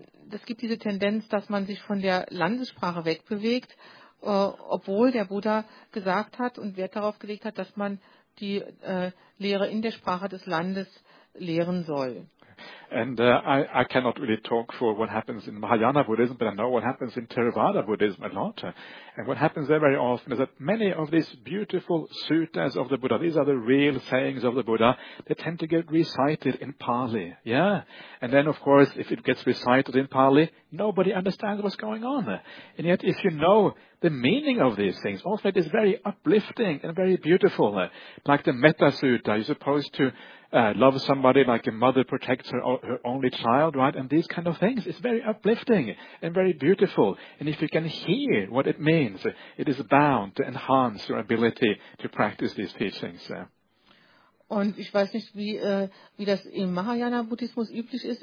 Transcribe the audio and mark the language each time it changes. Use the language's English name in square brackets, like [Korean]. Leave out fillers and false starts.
[German] Es gibt diese Tendenz, dass man sich von der Landessprache wegbewegt, obwohl der Buddha gesagt hat und Wert darauf gelegt hat, dass man die Lehre in der Sprache des Landes lehren soll. [English] And I cannot really talk for what happens in Mahayana Buddhism, but I know what happens in Theravada Buddhism a lot. And what happens there very often is that many of these beautiful suttas of the Buddha, these are the real sayings of the Buddha, they tend to get recited in Pali. Yeah? And then, of course, if it gets recited in Pali, nobody understands what's going on. And yet, if you know the meaning of these things, also it is very uplifting and very beautiful. Like the Metta Sutta, you're supposed to love somebody like a mother protects her only child, right? And these kind of things, it's very uplifting and very beautiful. And if you can hear what it means, it is bound to enhance your ability to practice these teachings. [German] Und ich weiß nicht, wie das im Mahayana-Buddhismus üblich ist.